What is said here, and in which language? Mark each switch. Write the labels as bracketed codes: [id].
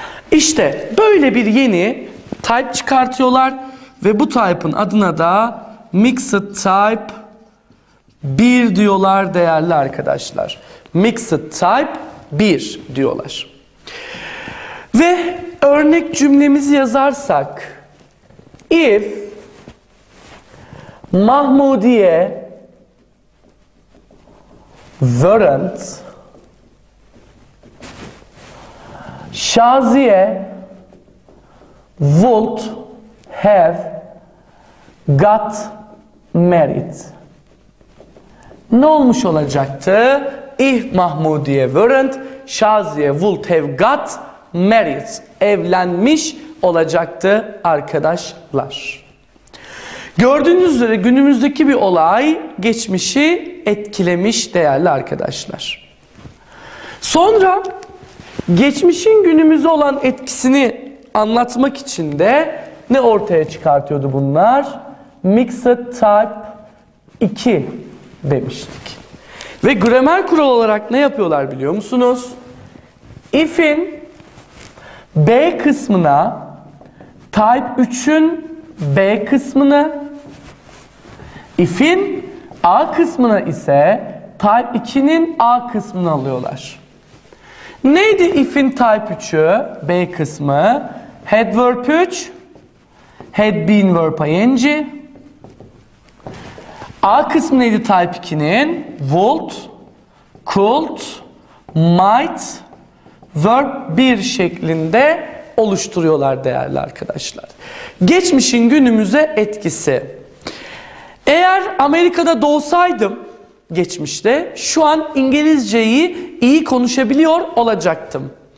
[tr] İşte böyle bir yeni type çıkartıyorlar ve bu type'ın adına da mixed type 1 diyorlar değerli arkadaşlar. Mixed type 1 diyorlar. Ve örnek cümlemizi yazarsak [en] if Mahmudiye weren't, Şaziye would have got married. [tr] Ne olmuş olacaktı? [en] If Mahmudiye weren't, Şaziye would have got married. [tr] Evlenmiş olacaktı arkadaşlar. Gördüğünüz üzere günümüzdeki bir olay geçmişi etkilemiş değerli arkadaşlar. Sonra geçmişin günümüze olan etkisini anlatmak için de ne ortaya çıkartıyordu bunlar? Mixed type 2 demiştik. Ve gramer kuralı olarak ne yapıyorlar biliyor musunuz? If'in B kısmına type 3'ün B kısmını, if'in A kısmına ise type 2'nin A kısmını alıyorlar. Neydi if'in type 3'ü, B kısmı? [en] Had verb 3, had been verb ing. [tr] A kısmı neydi type 2'nin? [en] Would, could, might, verb 1 [tr] şeklinde oluşturuyorlar değerli arkadaşlar. Geçmişin günümüze etkisi. Eğer Amerika'da doğsaydım geçmişte şu an İngilizceyi iyi konuşabiliyor olacaktım.